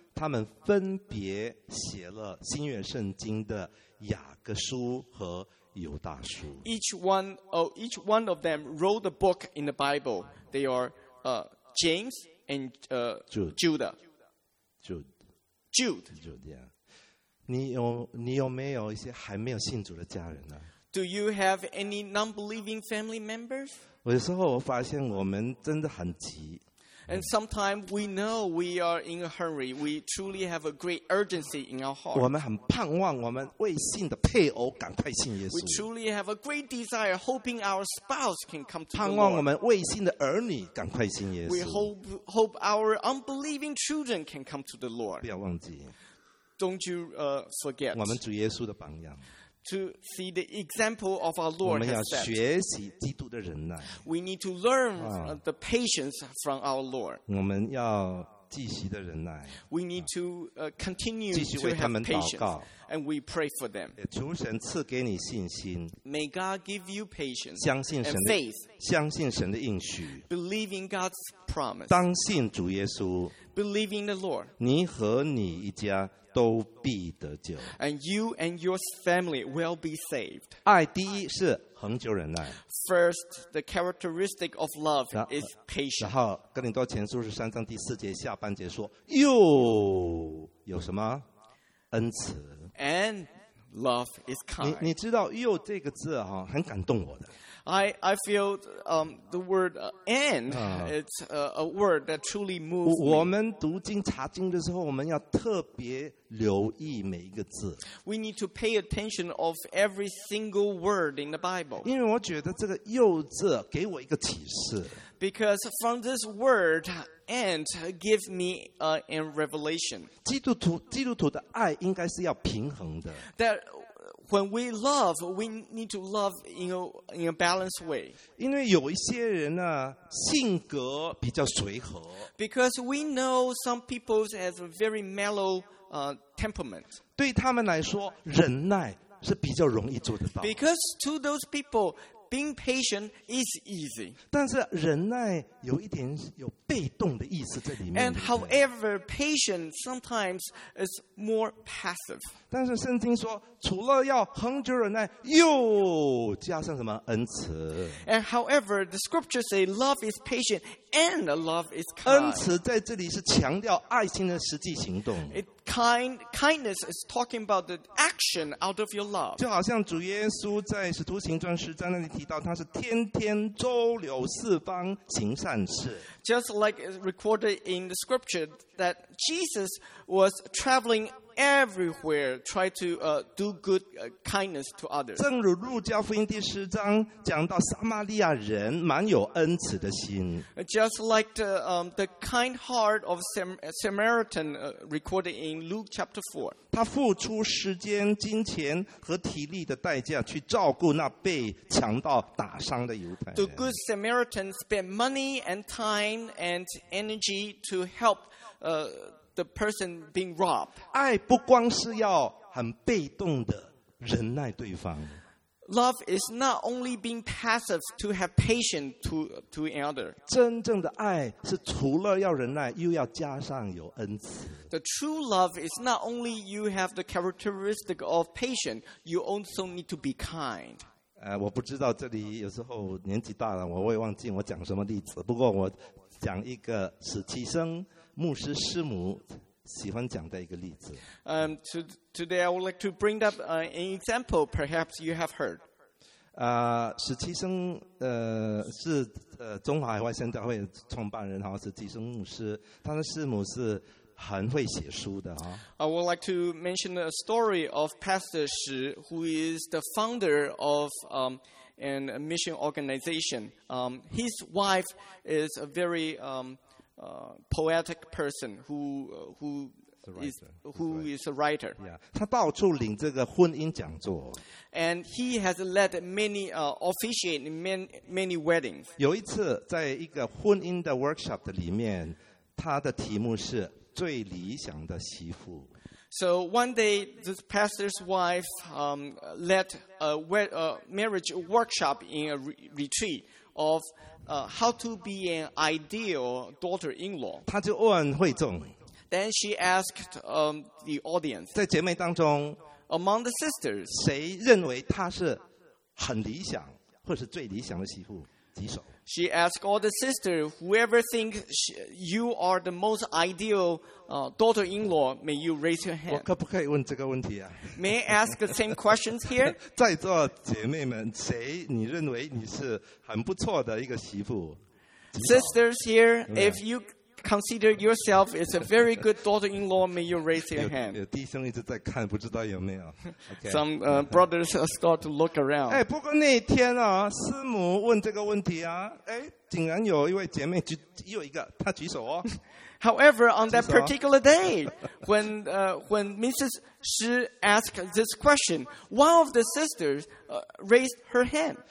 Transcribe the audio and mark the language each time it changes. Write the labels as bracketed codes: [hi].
[zh] 他们分别写了新约圣经的雅各书和犹大书。 [en] Each one of them wrote a book in the Bible. They are James and Judah. Jude. Yeah. [zh] 你有没有一些还没有信主的家人呢？ [en] Do you have any non-believing family members? [zh] 有时候我发现我们真的很急。 [en] And sometimes we know we are in a hurry. We truly have a great urgency in our heart. [zh] 我们很盼望我们未信的配偶赶快信耶稣。 [en] We truly have a great desire, hoping our spouse can come to the Lord. [zh] 盼望我们未信的儿女赶快信耶稣。 [en] We hope our unbelieving children can come to the Lord. [zh] 不要忘记。 [en] Don't you forget. [zh] 我们主耶稣的榜样。 [en] To see the example of our Lord. [zh] 我们要学习基督的忍耐。 [en] We need to learn the patience from our Lord. [zh] 我们要继续的忍耐。 [en] We need to continue to have patience. And we pray for them. [zh] 求神赐给你信心。 [en] May God give you patience. [zh] 相信神的 [en] and faith. [zh] 相信神的应许。 [en] Believe in God's promise. [zh] 当信主耶稣。 [en] Believe in the Lord. [zh] 你和你一家都必得救。 [en] And you and your family will be saved. [zh] 爱第一是恒久忍耐。 [en] First, the characteristic of love is patience. [zh] 然后哥林多前书是三章第四节下半节说又有什么恩慈。 [en] And love is kind. [zh] 你知道又这个字哈很感动我的。 [en] I feel the word and it's a word that truly moves me. [zh] 我们读经查经的时候我们要特别留意每一个字。 [en] We need to pay attention of every single word in the Bible. [zh] 因为我觉得这个又字给我一个启示。 [en] Because from this word and give me a revelation. [zh] 基督徒的爱应该是要平衡的。 [en] That when we love, we need to love in a balanced way. [zh] 因为有一些人呢，性格比较随和。 [en] Because we know some people have a very mellow temperament. [zh] 对他们来说，忍耐是比较容易做得到。 [en] Because to those people, being patient is easy. [zh] 但是忍耐有一点有被动的意思在里面。 [en] And however, patience sometimes is more passive. [zh] 但是圣经说，除了要恒久忍耐，又加上什么恩慈。 [en] And however, the scriptures say love is patient and love is kind. [zh] 恩慈在这里是强调爱心的实际行动。 [en] Kindness is talking about the action out of your love. [zh] 就好像主耶稣在使徒行传十章那里提到，他是天天周流四方行善事。 [en] Just like it's recorded in the scripture that Jesus was traveling everywhere try to do good kindness to others. [zh] 正如路加福音第十章讲到撒玛利亚人满有恩慈的心。 [en] Just like the kind heart of Samaritan recorded in Luke chapter 4. [zh] 他付出时间、金钱和体力的代价去照顾那被强盗打伤的犹太人。 [en] The good Samaritan spent money and time and energy to help the person being robbed. [zh] 爱不光是要很被动的忍耐对方。 [en] Love is not only being passive to have patience to another. [zh] 真正的爱是除了要忍耐，又要加上有恩慈。 [en] The true love is not only you have the characteristic of patience, you also need to be kind. [zh] 我不知道这里有时候年纪大了，我会忘记我讲什么例子。不过我讲一个使其生。牧师师母喜欢讲的一个例子。 [en] Today I would like to bring up an example perhaps you have heard. [zh] 史其生是中华海外宣教会创办人，史其生牧师，他的师母是很会写书的。 [en] I would like to mention a story of Pastor Shi, who is the founder of an mission organization. His wife is a very poetic person who is a writer. [zh] Yeah, 他到处领这个婚姻讲座。 [en] And he has led many officiate many weddings. [zh] 有一次在一个婚姻的 workshop 的里面，他的题目是最理想的媳妇。 [en] So one day, this pastor's wife led a marriage workshop in a retreat of. How to be an ideal daughter-in-law. [zh] 他就问会众。 [en] Then she asked the audience. [zh] 在姐妹当中 [en] ，among the sisters， [zh] 谁认为她是很理想或是最理想的媳妇？举手。 [en] She asked all the sisters, whoever thinks you are the most ideal daughter-in-law, may you raise your hand. [zh] 我可不可以问这个问题啊？ [en] May I ask the same questions here? [zh] 在座姐妹们，谁你认为你是很不错的一个媳妇？ [en] Sisters here, if you consider yourself as a very good daughter-in-law, may you raise your hand. [zh] 有弟兄一直在看，不知道有没有。 [en] Some brothers start to look around. [zh] 不过那天啊，师母问这个问题啊，竟然有一位姐妹举，有一个她举手哦。 [en] However, on that particular day, when Mrs. Shi asked this question, one of the sisters raised her hand.